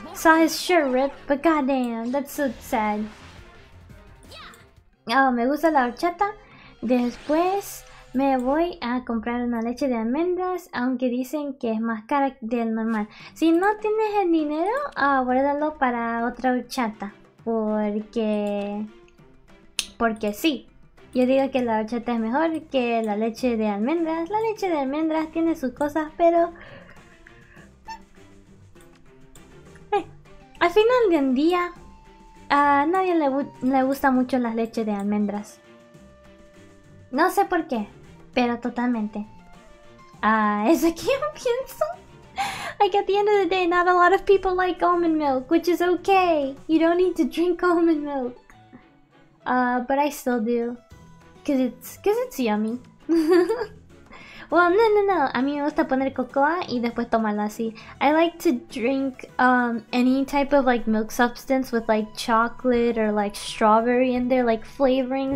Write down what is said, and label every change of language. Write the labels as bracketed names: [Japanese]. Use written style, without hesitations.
[English] Saw his shirt rip, but god damn. That's so sad. [Spanish] Oh, me gusta la horchata. Después me voy a comprar una leche de almendras, aunque dicen que es más cara del normal. Si no tienes el dinero, guárdalo para otra horchata. Porque sí. Yo digo que la horchata es mejor que la leche de almendras. La leche de almendras tiene sus cosas, pero... al final de un día, a nadie le gusta mucho las leches de almendras. No sé por qué, pero totalmente. Es que yo pienso. [English] Like, at the end of the day, not a lot of people like almond milk, which is okay. You don't need to drink almond milk. But I still do. Cause it's yummy. Well, no. [Spanish] A mí me gusta poner cocoa y después tomarla así. [English] I like to drink any type of like milk substance with like chocolate or like strawberry in there, like flavoring.